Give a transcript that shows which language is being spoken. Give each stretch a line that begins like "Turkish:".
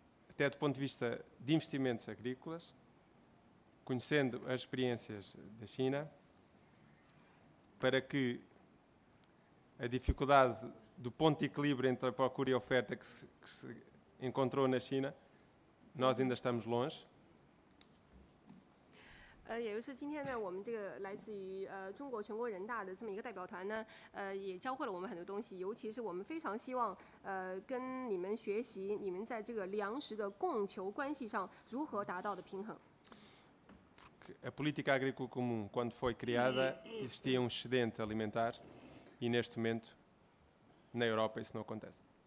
Portuguese: Até do ponto de vista de investimentos agrícolas, conhecendo as experiências da China, para que a dificuldade do ponto de equilíbrio entre a procura e a oferta que se encontrou na China, nós ainda estamos longe.
Chinese: 也就是今天呢，我们这个来自于中国全国人大的这么一个代表团呢，也教会了我们很多东西，尤其是我们非常希望跟你们学习，你们在这个粮食的供求关系上如何达到的平衡。
Portuguese: A política agrícola comum, quando foi criada, existia um excedente alimentar e neste momento na Europa isso não acontece.